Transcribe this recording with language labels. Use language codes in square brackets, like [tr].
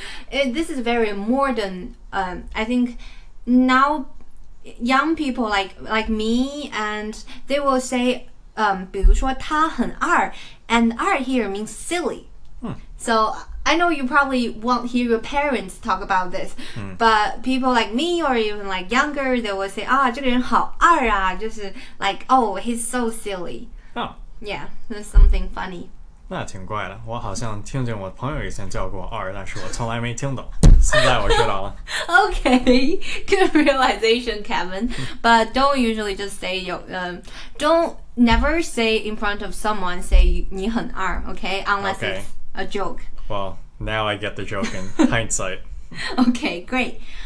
[en] This is very modern. I think now young people like me, and they will say, [zh] 比如说他很二, [en] and 二 here means silly. So,I know you probably won't hear your parents talk about this, but people like me or even like younger, they will say, ah, [zh] 这个人好二啊, [en] just like, oh, he's so silly. Oh. Yeah, that's something funny. [zh] 那挺怪的。我好像听见我朋友以前叫过二，但是我从来没听懂。现在我知道了。 [en] Okay, good realization, Kevin. But don't usually just say, don't never say in front of someone, say, [zh] 你很二, [en] okay? Unless it's a joke. Well, now I get the joke in hindsight. Okay, great.